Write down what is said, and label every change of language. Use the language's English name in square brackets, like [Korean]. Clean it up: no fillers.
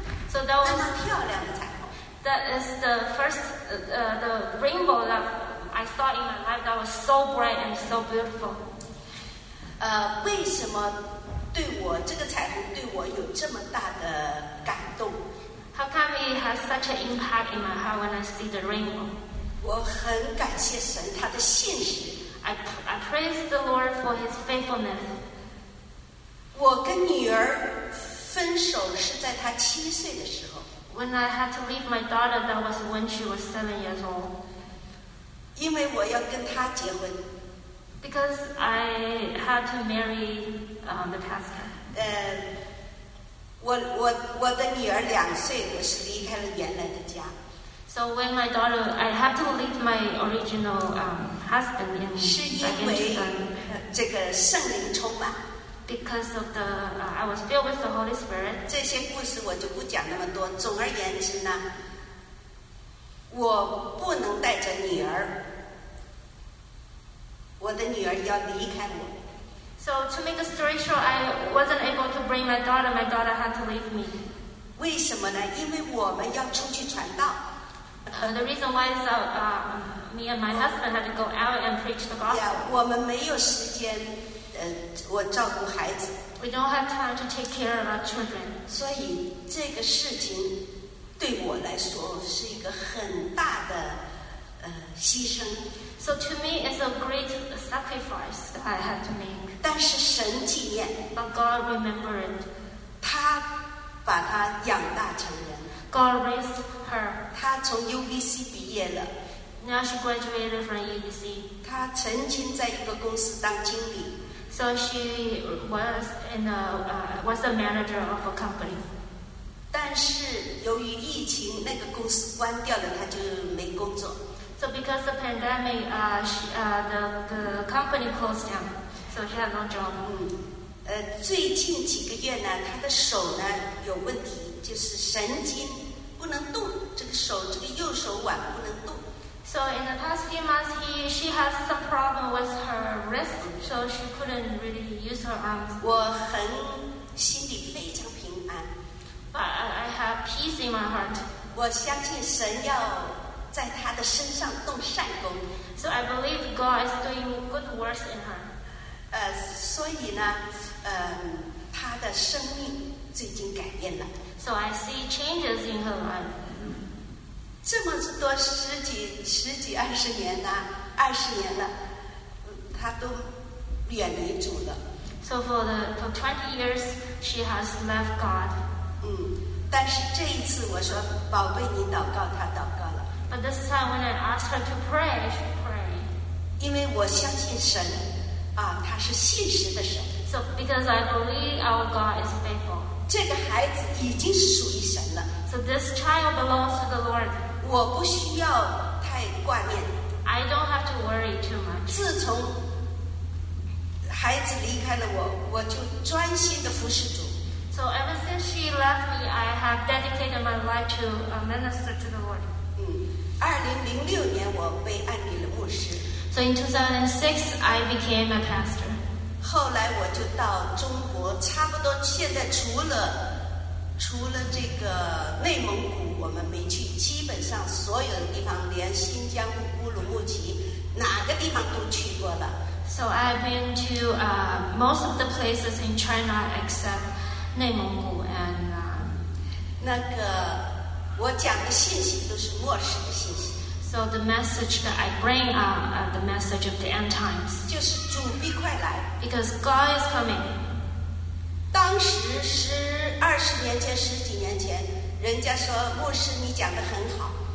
[English] so、that was, [Chinese] 那么漂亮的彩虹。 [English] That is the first, the rainbow that I saw in my life. That was so bright and so beautiful. [Chinese] 为什么对我这个彩虹对我有这么大的感动？ [English] How come it has such an impact in my heart when I see the rainbow? [Chinese] 我很感谢神他的信实。 [English] I praise the Lord for His faithfulness. [Chinese] 我跟女儿分手是在她七岁的时候。 [English] When I had to leave my daughter, that was when she was 7 years old. [Chinese] 因为我要跟她结婚。 [English] Because I had to marry the pastor. [Chinese] 我的女儿两岁，我是离开了原来的家。 [English] So when my daughter, I have to leave my original husband in [Chinese] Pakistan. 是因为这个圣灵充满。 [English] Because of the, I was filled with the Holy Spirit. [Chinese] 这些故事我就不讲那么多。总而言之呢，我不能带着女儿，我的女儿要离开我。 [English] So to make a story short, I wasn't able to bring my daughter. My daughter had to leave me. [Chinese] 为什么呢？因为我们要出去传道。 [English] The reason why is that me and my husband had to go out and preach the gospel. [Chinese] Yeah, 我们没有时间，我照顾孩子。 [English] We don't have time to take care of our children. [Chinese] 所以这个事情对我来说是一个很大的牺牲。 [English] So to me, it's a great sacrifice that I had to make. [Chinese] 但是神纪念。 [English] But God remembered. [Chinese] 他把她养大成人。 [English] God raised her. [Chinese] 她从 UBC 毕业了。 [English] Now she graduated from UBC. [Chinese] 她曾经在一个公司当经理。 [English] So she was in a, was a manager of a company. [Chinese] 但是由于疫情，那个公司关掉了，她就没工作。 [English] So because the pandemic, the company closed down, so she had no job. [Chinese] 最近几个月呢，她的手呢有问题，就是神经不能动，这个手，这个右手腕不能动。 [English] So in the past few months, she has some problem with her wrist, so she couldn't really use her arms. [Chinese] 我很心里非常平安。 [English] But I have peace in my heart. [Chinese] 我相信神要在她的身上动善功。 [English] So I believe God is doing good works in her. [Chinese] 所以呢，她的生命最近改变了。 [English] So I see changes in her life. [Chinese] 这么多十几二十年呢，二十年了，她都远离主了。 [English] So for 20 years she has left God. [Chinese] 但是这一次我说，宝贝，你祷告，她祷告。 [English] But this time when I asked her to pray, she prayed. [Chinese] 因为我相信神，他是信实的神。 [English] So because I believe our God is faithful. [Chinese] 这个孩子已经是属于神了。 [English] So this child belongs to the Lord. [Chinese] 我不需要太挂念。 [English] I don't have to worry too much. [Chinese] 自从孩子离开了我，我就专心地服侍主。 [English] So ever since she left me, I have dedicated my life to minister to the Lord. [Chinese] 2006年我被安立了牧师。 [English] So in 2006 I became a pastor. [Chinese] 后来我就到中国，差不多现在除了这个内蒙古我们没去，基本上所有的地方，连新疆乌鲁木齐哪个地方都去过了。 [English] So I've been to most of the places in China except 内蒙古 and [Chinese] 那个我讲的信息都是末世的信息。 [English] So the message that I bring are the message of the end times. [Chinese] 就是主必快来。 [English] Because God is coming. [Chinese] 当时十二十年前十几年前，人家说牧师你讲的很好。